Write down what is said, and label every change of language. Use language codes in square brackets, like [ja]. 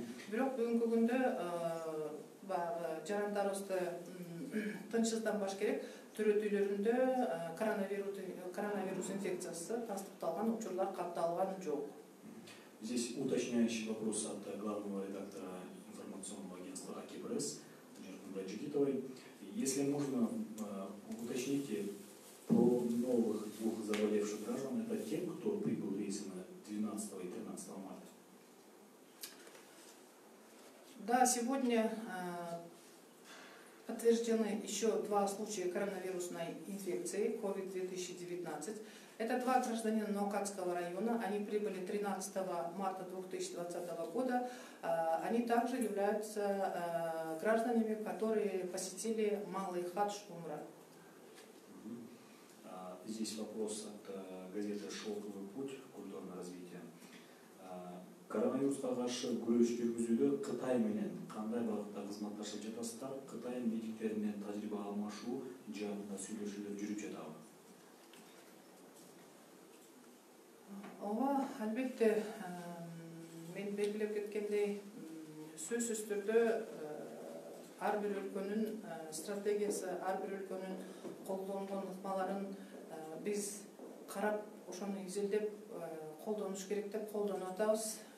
[ky] Бирок бүгүнкү күндө баягы жарандарыбызды тынчсызданбаш керек, төрөт үйлөрүндө коронавирус инфекциясы тастыкталган учурлар катталган жок. [ru] Здесь уточняющий вопрос от главного редактора информационного агентства АКИПРС, жетти. Если можно, уточните про новых двух заболевших граждан. Это те, кто прибыл рейсом 12 и 13 марта? Да, сегодня подтверждены еще два случая коронавирусной инфекции COVID-2019. Это два гражданина Ноокатского района. Они прибыли 13 марта 2020 года. Они также являются гражданами, которые посетили малый хадж умра. Здесь вопрос от газеты «Шелковый путь. Культурное развитие». [ky] Коронавируска каршы күрөш жүргүзүүдө Кытай менен кандай багытта кызматташып жатасыздар? Кытай медиктери менен тажрыйба алмашуу жанында сүйлөшүүлөр жүрүп жатабы? Ооба, албетте, мен белгилеп кеткендей, сөзсүз түрдө ар бир өлкөнүн стратегиясы, ар бир өлкөнүн колдонгон ыкмаларын биз карап, ошону изилдеп колдонуш керек деп колдонуп атабыз.